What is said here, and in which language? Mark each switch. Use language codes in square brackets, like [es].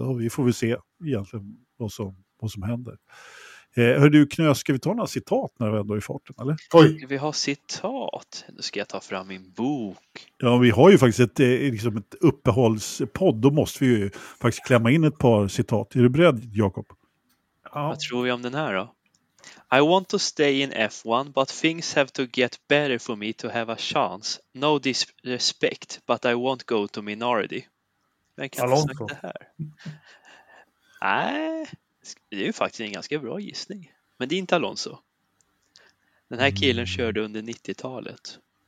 [sv] Och vi får väl se egentligen vad som händer. Hör du, Knös, ska vi ta några citat när vi ändå är i farten, eller? Oj. Vi har citat. Nu ska jag ta fram min bok. Ja, vi har ju faktiskt ett uppehållspodd. Då måste vi ju faktiskt klämma in ett par citat. Är du beredd, Jakob? Ja. Vad tror vi om den här då? [en] I want to stay in F1, but things have to get better for me to have a chance. No disrespect, but I won't go to minority. [sv] Vem kan inte säga det här? Nej, det är ju faktiskt en ganska bra gissning. Men det är inte Alonso. Den här killen körde under 90-talet.